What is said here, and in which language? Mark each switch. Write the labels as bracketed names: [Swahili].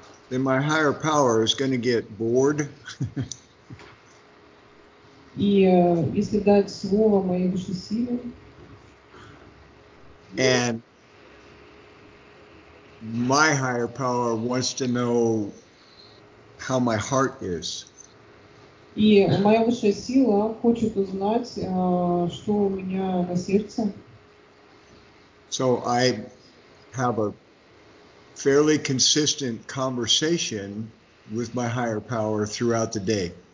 [English] then my higher power is going to get bored. [Russian] И если дать слово моей высшей силе, [English] and my higher power wants to know how my heart is. [Russian] И моя высшая сила хочет узнать, что у меня на сердце. [English] So I have a fairly consistent conversation with my higher power throughout the day.